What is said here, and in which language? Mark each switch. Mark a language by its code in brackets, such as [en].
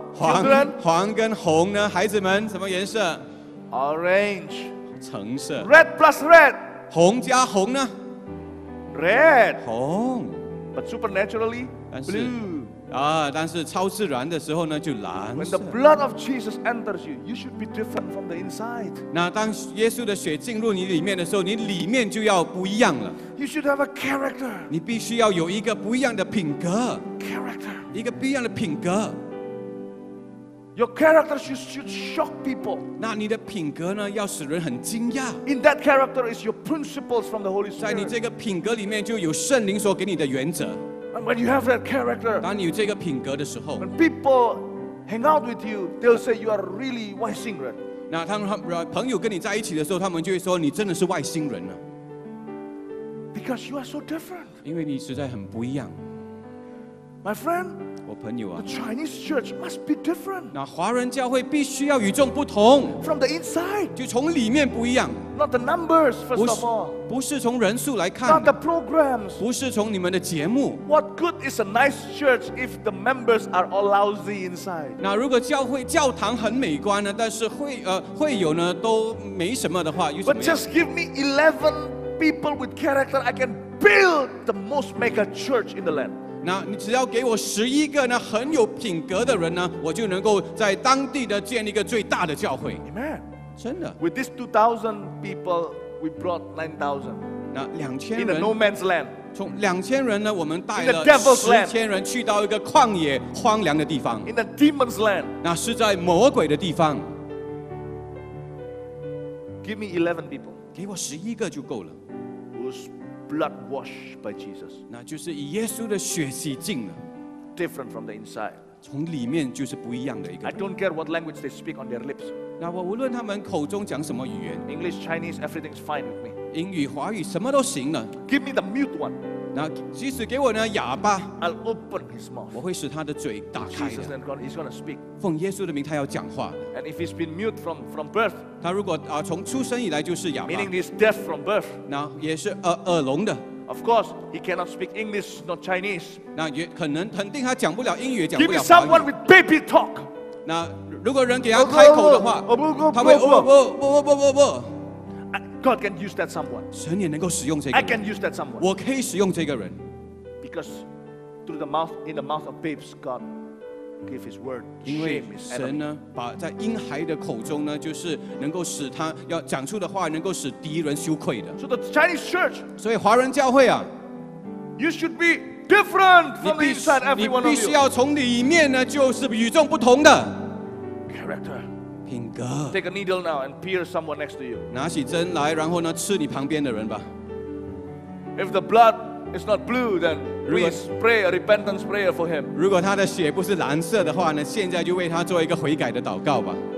[en] children. [zh] 黄跟红呢？孩子们，什么颜色？ [en] Orange. [zh] 橙色。 [en] Red plus red. [zh] 红加红呢？ [en] Red. [zh] 红。 [en] But supernaturally, blue. [zh] 但是超自然的时候呢就蓝色。 [en] When the blood of Jesus enters you, you should be different from the inside. [zh] 那当耶稣的血进入你里面的时候，你里面就要不一样了。 [en] You should have a character. [zh] 你必须要有一个不一样的品格。 [en] Character. [zh] 一个不一样的品格。 [en] Your character should shock people. [zh] 那你的品格呢，要使人很惊讶。 [en] In that character is your principles from the Holy Spirit. [zh] 在你这个品格里面就有圣灵所给你的原则。 [en] And when you have that character, [zh] 当你有这个品格的时候 [en] ，when people hang out with you, they'll say you are really [zh] 外星人。那他们朋友跟你在一起的时候，他们就会说你真的是外星人呢。 [en] Because you are so different. [zh] 因为你实在很不一样。 [en] My friend. [zh] 我朋友啊。 [en] The Chinese church must be different. [zh] 那华人教会必须要与众不同。 [en] From the inside. [zh] 就从里面不一样。 [en] Not the numbers, first of all. [zh] 不是从人数来看。 [en] Not the programs. [zh] 不是从你们的节目。 [en] What good is a nice church if the members are all lousy inside? [zh] 那如果教堂很美观呢，但是会友呢都没什么的话，有什么 [en] ？But just give me 11 people with character, I can build the most mega church in the land. [zh] 那你只要给我十一个呢很有品格的人呢，我就能够在当地的建立一个最大的教会。 [en] Amen. [zh] 真的。 [en] With these 2,000 people, we brought 9,000. [zh] 那两千人。 [en] In a no man's land. [zh] 从两千人呢，我们带了十千人去到一个旷野荒凉的地方。 [en] In a demon's land. [zh] 那是在魔鬼的地方。 [en] Give me 11 people. [zh] 给我十一个就够了。 [en] Blood washed by Jesus. [zh] 那就是以耶稣的血洗净了。 [en] Different from the inside. [zh] 从里面就是不一样的一个人。 [en] I don't care what language they speak on their lips. [zh] 那我无论他们口中讲什么语言。 [en] English, Chinese, everything's fine with me. [zh] 英语、华语什么都行了。 [en] Give me the mute one. [zh] 那即使给我呢哑巴。 [en] I'll open his mouth. [zh] 我会使他的嘴打开的。 [en] Jesus, he's going to speak. [zh] 奉耶稣的名，他要讲话。 [en] And if he's been mute from birth. [zh] 他如果从出生以来就是哑巴。 [en] Meaning he's deaf from birth. [zh] 那也是耳聋的。 [en] Of course, he cannot speak English, not Chinese. [zh] 那也可能肯定他讲不了英语，也讲不了华语。 [en] Give me someone with baby talk. [zh] 那如果人给他开口的话，他会不。 [en] God can use that someone. [zh] 神也能够使用这个人。 [en] I can use that someone. [zh] 我可以使用这个人。 [en] Because through the mouth, in the mouth of babes, God gave His word. [zh] 因为神呢，把在婴孩的口中呢，就是能够使他要讲出的话，能够使敌人羞愧的。 [en] So the Chinese church. [zh] 所以华人教会啊 [en] ，You should be different from the inside, every one of you. [zh] 你必须要从里面呢，就是与众不同的。 [en] Character. [zh] 品格。 [en] Take a needle now and pierce someone next to you. [zh] 拿起针来，然后呢，刺你旁边的人吧。 [en] If the blood is not blue, then please pray a repentance prayer for him. [zh] 如果他的血不是蓝色的话呢，现在就为他做一个悔改的祷告吧。